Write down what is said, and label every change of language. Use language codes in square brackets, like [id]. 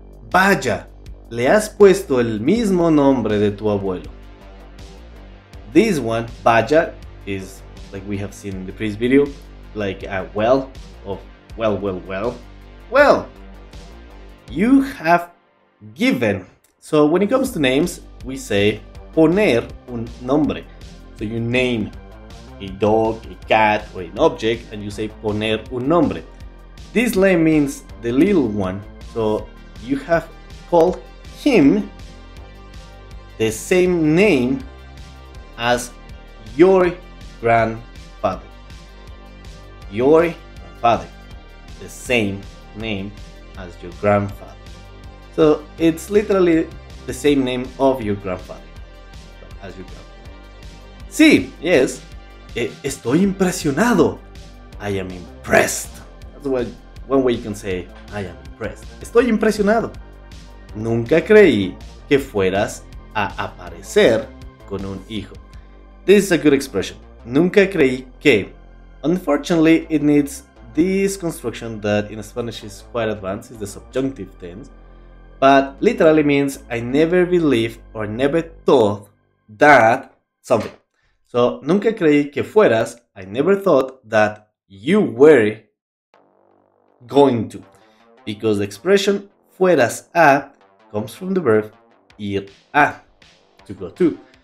[es] Vaya, le has puesto el mismo nombre de tu abuelo. [en] This one, vaya, is like we have seen in the previous video, like a well of well. Well, you have given. So when it comes to names, we say [es] poner un nombre. [en] So you name a dog, a cat, or an object, and you say [es] poner un nombre. [en] This name means the little one, so you have called him the same name as your grandfather. Your grandfather, the same name as your grandfather. So it's literally the same name of your grandfather, as your grandfather. [es] Sí, yes, estoy impresionado. [en] I am impressed. That's what. One way you can say, I am impressed. [es] Estoy impresionado. Nunca creí que fueras a aparecer con un hijo. [en] This is a good expression. [es] Nunca creí que. [en] Unfortunately, it needs this construction that in Spanish is quite advanced. It's the subjunctive tense. But literally means, I never believed or never thought that something. So, [es] nunca creí que fueras. [en] I never thought that you were going to, because the expression fueras a comes from the verb ir a, to go to.